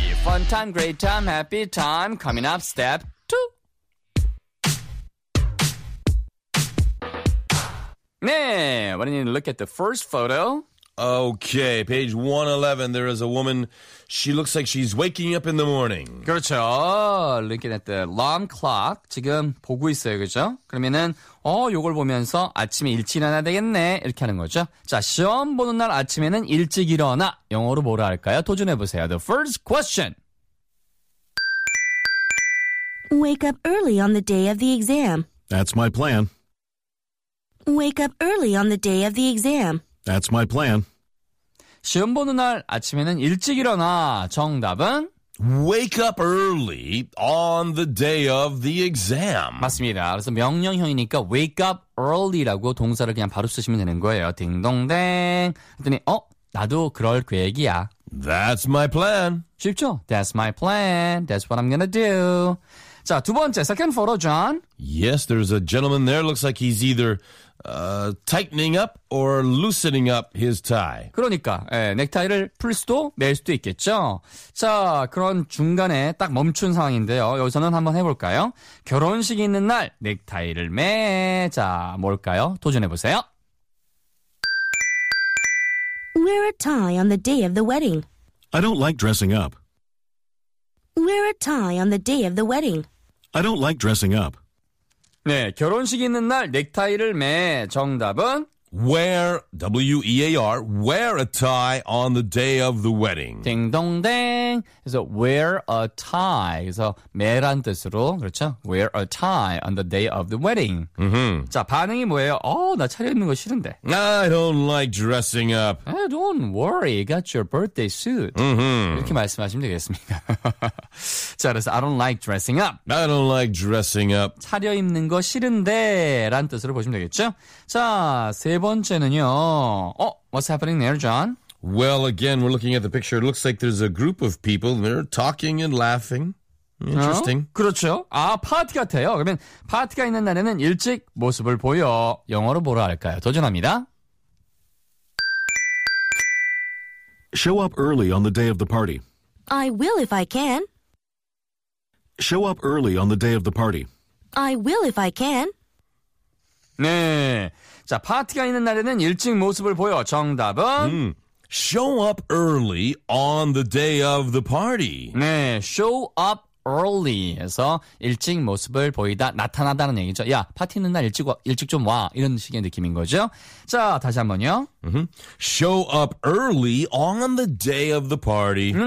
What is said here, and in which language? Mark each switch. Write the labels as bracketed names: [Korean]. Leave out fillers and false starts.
[English] Fun time, great time, happy time. Coming up, step two. 네, why don't you look at the first photo? Okay, page 111, there is a woman, she looks like she's waking up in the morning. [Korean] 그렇죠, [English] looking at the alarm clock, [Korean] 지금 보고 있어요, 그렇죠? 그러면은, 요걸 보면서 아침에 일찍 일어나야 되겠네, 이렇게 하는 거죠. 자, 시험 보는 날 아침에는 일찍 일어나, 영어로 뭐라 할까요? 도전해보세요. [English] The first question. Wake up early on the day of the exam. That's my plan. Wake up early on the day of the exam. That's my plan. [Korean] 시험 보는 날 아침에는 일찍 일어나. 정답은? [English] Wake up early on the day of the exam. [Korean] 맞습니다. 그래서 명령형이니까 [English] wake up early [Korean] 라고 동사를 그냥 바로 쓰시면 되는 거예요. 딩동댕. 그랬더니 나도 그럴 계획이야. [English] That's my plan. 쉽죠? That's my plan. That's what I'm gonna do. [Korean] 자, 두 번째, [English] second photo, [Korean] John. [English] Yes, there's a gentleman there. Looks like he's either tightening up or loosening up his tie. [Korean] 그러니까, 넥타이를 풀 수도 맬 수도 있겠죠. 자, 그런 중간에 딱 멈춘 상황인데요. 여기서는 한번 해볼까요? 결혼식이 있는 날, 넥타이를 매. 자, 뭘까요? 도전해보세요. [English] Wear a tie on the day of the wedding. I don't like dressing up. Wear a tie on the day of the wedding. I don't like dressing up. [Korean] 네, 결혼식 있는 날 넥타이를 매. 정답은? [English] Wear, W-E-A-R, wear a tie on the day of the wedding. [Korean] 딩동댕. [English] 그래서 wear a tie. [Korean] 그래서 매란 뜻으로, 그렇죠? [English] Wear a tie on the day of the wedding. Mm-hmm. [Korean] 자, 반응이 뭐예요? 어, 나 차려입는 거 싫은데. [English] I don't like dressing up. Don't worry, got your birthday suit. Mm-hmm. [Korean] 이렇게 말씀하시면 되겠습니다. [English] 자, 그래서 I don't like dressing up. I don't like dressing up. [Korean] 차려입는 거 싫은데, 라는 뜻으로 보시면 되겠죠? 자, 세 번째는요. [English] 어, what's happening there, John? Well, again, we're looking at the picture. It looks like there's a group of people. They're talking and laughing. Interesting. [Korean] 어? 그렇죠. 아, 파티 같아요. 그러면 파티가 있는 날에는 일찍 모습을 보여. 영어로 뭐라 할까요? 도전합니다. [English] Show up early on the day of the party. I will if I can. Show up early on the day of the party. I will if I can. [Korean] 네. 자, 파티가 있는 날에는 일찍 모습을 보여. 정답은? [English] Show up early on the day of the party. [Korean] 네, [English] show up early [Korean] 해서 일찍 모습을 보이다, 나타나다는 얘기죠. 야, 파티 있는 날 일찍 좀 와. 이런 식의 느낌인 거죠. 자, 다시 한 번요. [English] Show up early on the day of the party.